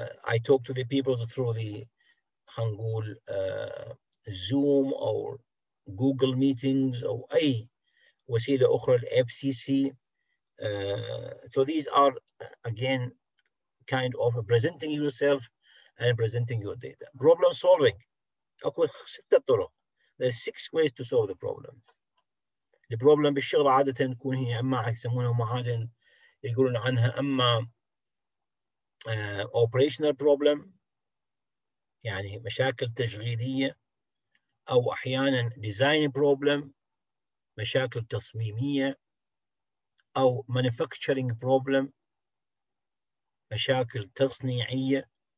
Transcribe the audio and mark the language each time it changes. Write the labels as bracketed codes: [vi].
[en] I talk to the people through the هنقول Zoom او Google meetings او اي [ar] وسيله اخرى، [en] الاف C C. So these are again kind of presenting yourself and presenting your data. [ar] Problem solving. أكو ستة طرق. [en] There's 6 ways to solve the problems. [ar] The problem بالشغل عادة تكون هي أما يسمونها معادن، يقولون عنها أما operational problem، يعني مشاكل تشغيلية، أو أحيانا design problem، مشاكل تصميمية، أو manufacturing problem، مشاكل تصنيعية.